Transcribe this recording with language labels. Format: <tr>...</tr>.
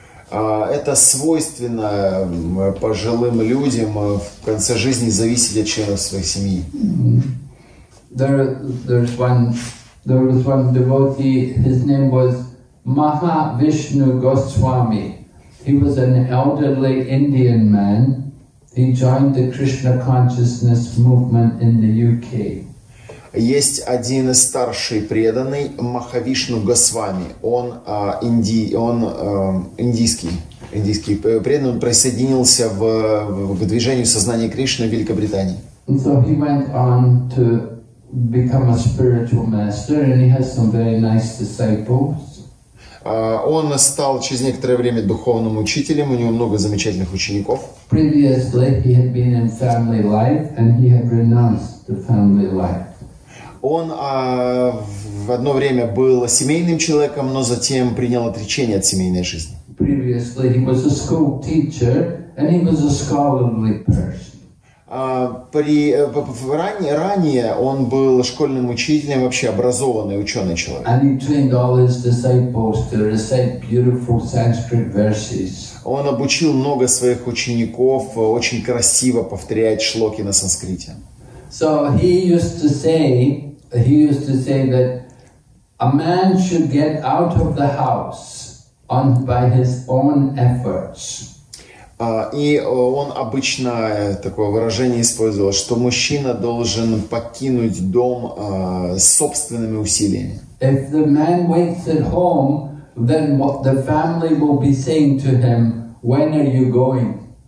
<ru>Это свойственно пожилым людям в конце жизни зависеть от членов своей семьи.</ru> <en>There was one devotee, his name was Maha Vishnu Goswami. He was an elderly Indian man. He joined the Krishna consciousness movement in the UK.</en> <ru>Есть один старший преданный, Махавишну Госвами. Он индийский преданный. Он присоединился к движению сознания Кришны в Великобритании.</ru> <en>And so he went on to become a spiritual master, and he has some very nice disciples.</en> <ru>Он стал через некоторое время духовным учителем, у него много замечательных учеников.</ru> <en>Previously he had been in family life and he had renounced the family life.</en> <ru>Он в одно время был семейным человеком, но затем принял отречение от семейной жизни.</ru> <en>Previously he was a school teacher and he was a scholarly person.</en> <ru>Ранее он был школьным учителем, вообще образованный ученый человек.</ru> <en>And he trained all his disciples to recite beautiful Sanskrit verses.</en> <ru>Он обучил много своих учеников очень красиво повторять шлоки на санскрите.</ru> <en>So he used to say that a man should get out of the house on by his own efforts.</en> <ru>И он обычно такое выражение использовал, что мужчина должен покинуть дом собственными усилиями.</ru> <en>If the man waits at home, then the family will be saying to him, when are you going?</en>